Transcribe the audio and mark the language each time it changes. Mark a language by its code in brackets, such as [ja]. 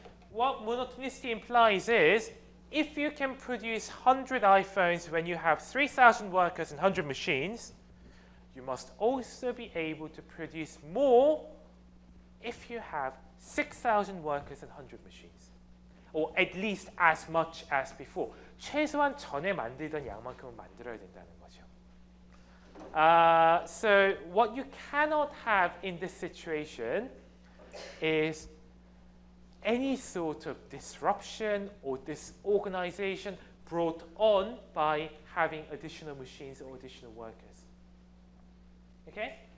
[en] What monotonicity implies is, if you can produce 100 iPhones when you have 3,000 workers and 100 machines, you must also be able to produce more if you have 6,000 workers and 100 machines, or at least as much as before. [ko] 최소한 전에 만들던 양만큼은 만들어야 된다는 거죠. [en] So what you cannot have in this situation is any sort of disruption or disorganization brought on by having additional machines or additional workers. Okay?